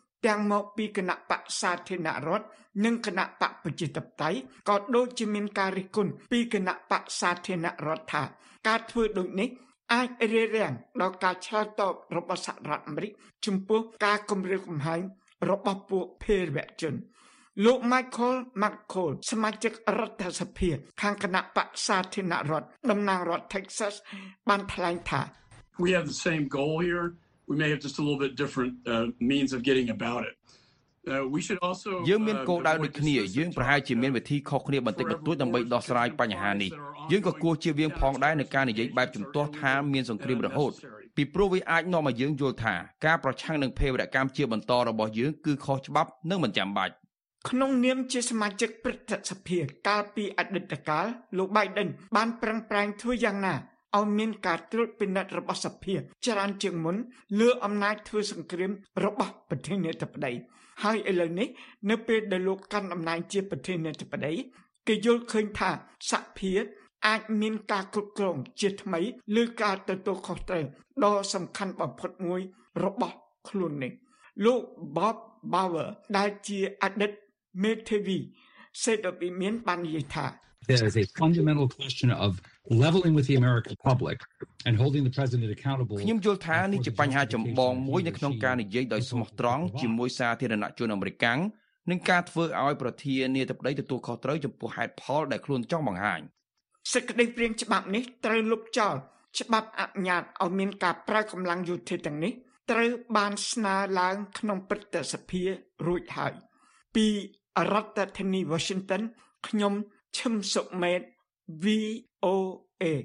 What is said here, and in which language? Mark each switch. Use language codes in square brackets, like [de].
[km] ទាំងមកពីគណៈបក្សសាធារណរដ្ឋនិងគណៈបក្សប្រជាធិបតេយ្យក៏ដូចជាមានការរិះគន់ពីគណៈបក្សសាធារណរដ្ឋថាការធ្វើដូចនេះអាចរារាំងដល់ការឆ្លើយតបរបស់សហរដ្ឋអាមេរិកចំពោះការគំរាមកំហែងរបស់ពួកភេរវជនលោក Michael McCall សមាជិករដ្ឋសភាខាងគណៈបក្សសាធារណរដ្ឋតំណាងរដ្ឋ Texas បានថ្លែងថា [en] We have the same goal here. We may have just a little bit different means of getting about it. We should also [km] យើងមានគោលដៅដូចគ្នាយើងប្រហែលជាមានវិធីខុសគ្នាបន្តិចបន្តួចដើម្បីដោះស្រាយបញ្ហានេះយើងក៏គួរជៀសវាងផងដែរនៅការនិយាយបែបជំទាស់ថាមានសង្គ្រាមរហូតពីព្រោះវាអាចនាំឲ្យយើងយល់ថាការប្រឆាំងនឹងភេរវកម្មជាបន្តរបស់យើងគឺខុសច្បាប់និងមិនចាំបាច់ ក្នុងនាមជាសមាជិកព្រឹទ្ធសភាកាលពីអតីតកាលលោក Biden បានប្រឹងប្រែងធ្វើយ៉ាងណាឲ្យមានការត្រួតពិនិត្យរបស់សភាច្រើនជាងមុនលើអំណាចធ្វើសង្គ្រាមរបស់ប្រធានាធិបតីហើយឥឡូវនេះនៅពេលដែលលោកកាន់អំណាចជាប្រធានាធិបតីគេយល់ឃើញថាសភា អាចមានការគ្រប់គ្រងជាថ្មីឬការទទួលខុសត្រូវដ៏សំខាន់បំផុតមួយរបស់ខ្លួននេះលោក Bob Bauer ដែលជាអតីតមេធាវីសេដបិមានបាននិយាយថា [en] There is a fundamental question of leveling with the American public and holding the president accountable [km] ខ្ញុំយល់ថានេះជាបញ្ហាចម្បងមួយនៅក្នុងការនិយាយដោយស្មោះត្រង់ជាមួយសាធារណជនអាមេរិកាំងនឹងការធ្វើឲ្យប្រធានាធិបតីទទួលខុសត្រូវចំពោះហេតុផលដែលខ្លួនចង់បង្ហាញ សេចក្តីព្រៀងច្បាប់នេះត្រូវលុបចោលច្បាប់អញ្ញាតឲ្យមានការប្រើកម្លាំងយោធាទាំងនេះត្រូវបានស្នើឡើងក្នុងព្រឹទ្ធសភារួចហើយពីរដ្ឋធានី Washington ខ្ញុំឈឹមសុខមេត VOA